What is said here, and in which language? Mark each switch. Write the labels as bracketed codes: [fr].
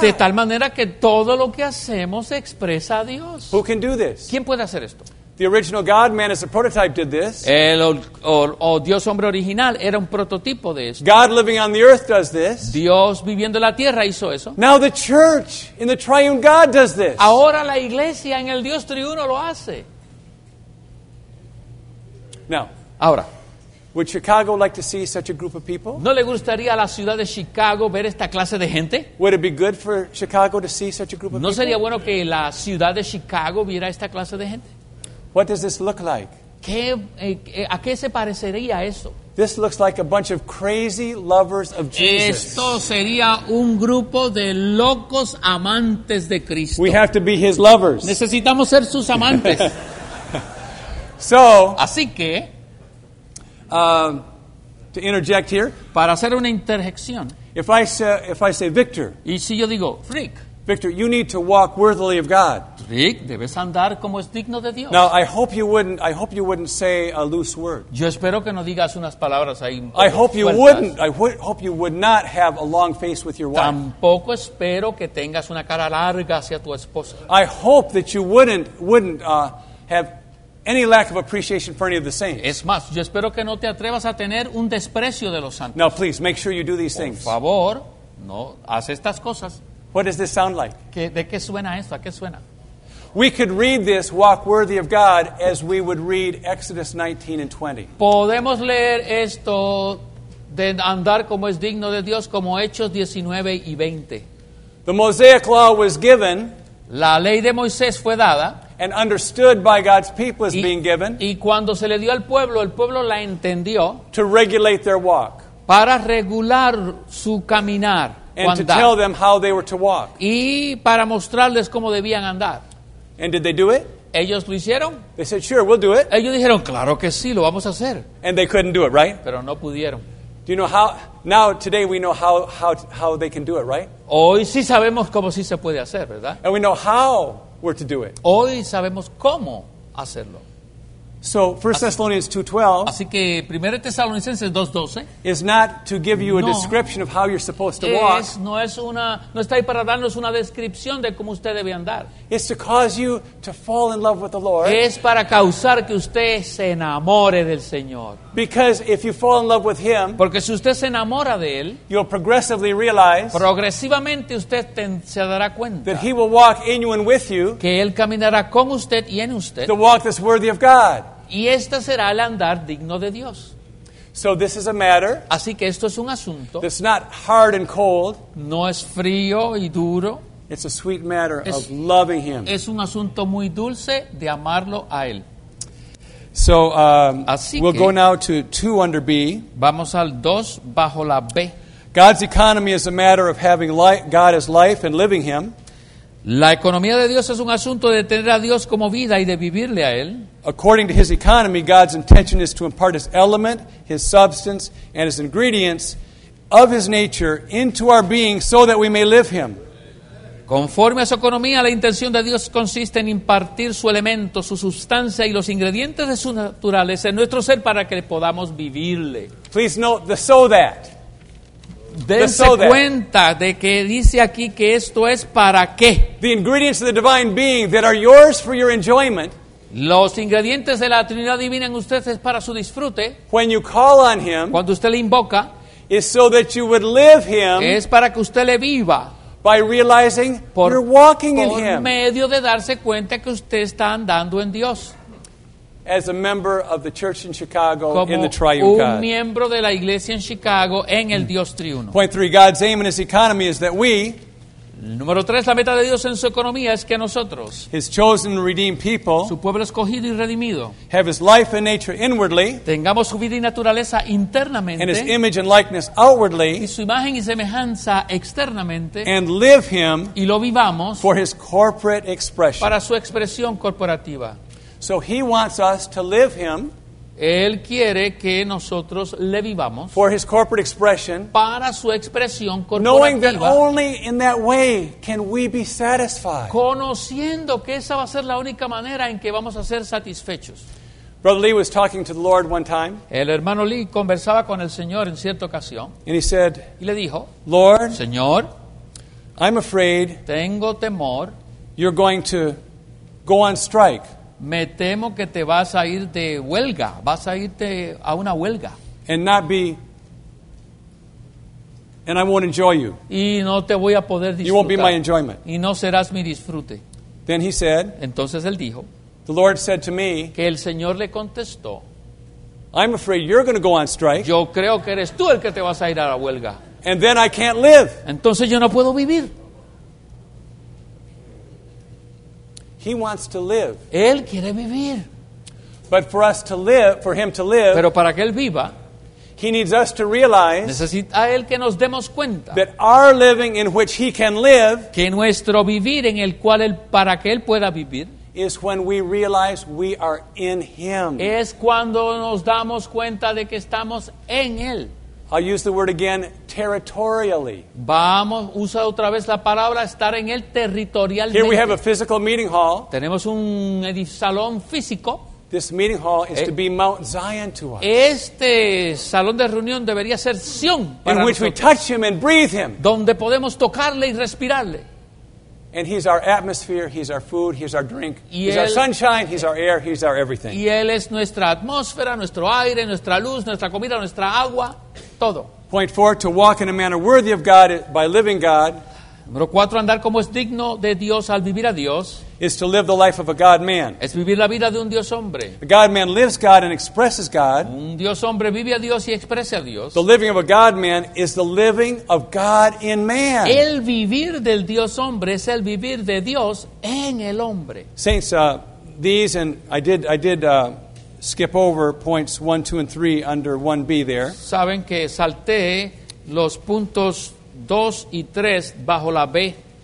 [es] de tal manera que todo lo que hacemos expresa a Dios. [en] Who can do this? [es] ¿Quién puede hacer esto? [en] The original God-Man as a prototype did this. [es] Dios hombre original era un prototipo de esto. [en] God living on the earth does this. [es] Dios viviendo la tierra hizo eso. [en] Now the church in the triune God does this. [es] Ahora la iglesia en el Dios triuno lo hace. [en] Now. [es] Ahora. [en] Would Chicago like to see such a group of people? [es] ¿No le gustaría a la ciudad de Chicago ver esta clase de gente? [en] Would it be good for Chicago to see such a group of [es] ¿No [en] people? [es] ¿No sería bueno que la ciudad de Chicago viera esta clase de gente? [en] What does this look like? [es] ¿A qué se parecería eso? [en] This looks like a bunch of crazy lovers of Jesus. [es] Esto sería un grupo de locos amantes de Cristo. [en] We have to be his lovers. [es] Necesitamos ser sus amantes. [en] So, [es] así que, [en] to interject here, [es] para hacer una interjección, [en] if I say Victor, [es] y si yo digo Rick, [en] Victor, you need to walk worthily of God. [es] Rick, debes andar como es digno de Dios. [en] Now, I hope you wouldn't say a loose word. [es] Yo espero que no digas unas palabras ahí. [en] I hope you would not have a long face with your wife. [es] Tampoco espero que tengas una cara larga hacia tu esposa. [en] I hope that you wouldn't have any lack of appreciation for any of the saints. [es] Es más, yo espero que no te atrevas a tener un desprecio de los santos. [en] Now, please make sure you do these things. [es] Por favor, no haz estas cosas. [en] What does this sound like? [es] ¿De qué suena esto? ¿A qué suena? [en] We could read this, walk worthy of God, as we would read Exodus 19 and 20. [es] Podemos leer esto de andar como es digno de Dios, como Hechos 19 y 20. [en] The Mosaic Law was given. [es] La ley de Moisés fue dada. [en] And understood by God's people as being given. [es] Y cuando se le dio al pueblo, el pueblo la entendió. [en] To regulate their walk. [es] Para regular su caminar. [en] And to tell them how they were to walk. [es] Y para mostrarles cómo debían andar. [en] And did they do it? [es] Ellos lo hicieron. [en] They said, sure, we'll do it. [es] Ellos dijeron, claro que sí, lo vamos a hacer. [en] And they couldn't do it, right? [es] Pero no pudieron. [en] Do you know how? Now, today we know how they can do it, right? [es] Hoy sí sabemos cómo sí se puede hacer, ¿verdad? [en] And we know how we're to do it. [es] Hoy sabemos cómo hacerlo. [en] So 1 Thessalonians 2:12 [es] así que 1 Tesalonicenses 2:12 [en] is not to give you a description of how you're supposed to walk. [es] No está ahí para darnos una descripción de cómo usted debe andar. [en] It's to cause you to fall in love with the Lord. [es] Es para causar que usted se enamore del Señor. [en] Because if you fall in love with him, [es] porque si usted se enamora de él, [en] you'll progressively realize, [es] progresivamente usted se dará cuenta, [en] that he will walk in you and with you, [es] que él caminará con usted y en usted, [en] the walk that's worthy of God. [es] Y este será el andar digno de Dios. [en] So this is a matter. [es] Así que esto es un asunto. [en] It's not hard and cold. [es] No es frío y duro. [en] It's a sweet matter of loving him. [es] Es un asunto muy dulce de amarlo a él. [en] So [es] así [en] we'll [es] que [en] go now to 2 under B. [es] Vamos al 2 bajo la B. [en] God's economy is a matter of having life, God as life and living him. [es] La economía de Dios es un asunto de tener a Dios como vida y de vivirle a él. [en] According to his economy, God's intention is to impart his element, his substance, and his ingredients of his nature into our being so that we may live him. [es] Conforme a su economía, la intención de Dios consiste en impartir su elemento, su sustancia y los ingredientes de su naturaleza en nuestro ser para que podamos vivirle. [en] Please note the so that. [es] Dense cuenta de que dice aquí que esto es para qué. [en] The ingredients of the divine being that are yours for your enjoyment. [es] Los ingredientes de la Trinidad divina en usted es para su disfrute. [en] When you call on him, [es] cuando usted le invoca, [en] is so that you would live him, [es] es para que usted le viva. [en] By realizing you're walking in him. [es] Por medio de darse cuenta que usted está andando en Dios. [en] As a member of the church in Chicago, [es] como [en] in the triune God. [es] Como un miembro de la iglesia en Chicago en el Dios triuno. [en] Point 3, God's aim in his economy is that we, [es] número 3, la meta de Dios en su economía es que nosotros, [en] his chosen and redeemed people, [es] su pueblo escogido y redimido, [en] have his life and nature inwardly, [es] tengamos su vida y naturaleza internamente, [en] and his image and likeness outwardly, [es] y su imagen y semejanza externamente, [en] and live him, [es] y lo vivamos, [en] for his corporate expression, [es] para su expresión corporativa. [en] So he wants us to live him, [es] él quiere que nosotros le vivamos, [en] for his corporate expression, [es] para su expresión corporativa, [en] knowing that only in that way can we be satisfied, [es] conociendo que esa va a ser la única manera en que vamos a ser satisfechos. [en] Brother Lee was talking to the Lord one time. [es] El hermano Lee conversaba con el Señor en cierta ocasión. [en] And he said, [es] y le dijo, [en] Lord, [es] Señor, [en] I'm afraid, [es] tengo temor, [en] you're going to go on strike. [es] Me temo que te vas a ir de huelga, vas a irte a una huelga. [en] And not be, and I won't enjoy you. [es] Y no te voy a poder disfrutar. [en] You won't be my enjoyment. [es] Y no serás mi disfrute. [en] Then he said, [es] entonces él dijo, [en] the Lord said to me, [es] que el Señor le contestó, [en] I'm afraid you're going to go on strike. [es] Yo creo que eres tú el que te vas a ir a la huelga. [en] And then I can't live. [es] Entonces yo no puedo vivir. [en] He wants to live. [es] Él quiere vivir. [en] But for us to live, for him to live, [es] pero para que él viva, [en] he needs us to realize, [es] necesita él que nos demos cuenta, [en] that our living in which he can live, [es] que nuestro vivir en el cual él, para que él pueda vivir, [en] is when we realize we are in him. [es] Es cuando nos damos cuenta de que estamos en él. [en] I'll use the word again, territorially. [es] Vamos, usa otra vez la palabra estar en el territorial. [en] Here we have a physical meeting hall. [es] Tenemos un salón físico. [en] This meeting hall is to be Mount Zion to us. [es] Este salón de reunión debería ser Sion para nosotros. [en] In which we touch him and breathe him. [es] Donde podemos tocarle y respirarle. [en] And he's our atmosphere, he's our food, he's our drink, he's our sunshine, he's our air, he's our everything. [es] Y él es nuestra atmósfera, nuestro aire, nuestra luz, nuestra comida, nuestra agua, todo. [en] Point 4, to walk in a manner worthy of God by living God. [es] Número 4, andar como es digno de Dios al vivir a Dios. [en] Is to live the life of a God-man. [es] Es vivir la vida de un Dios hombre. [en] A God-man lives God and expresses God. [es] Un Dios hombre vive a Dios y expresa a Dios. [en] The living of a God-man is the living of God in man. [es] El vivir del Dios hombre es el vivir de Dios en el hombre. [en] Saints, these, and I did skip over points 1, 2, and 3 under 1B there. [es] Saben que salté los puntos 2 y 3 bajo la B.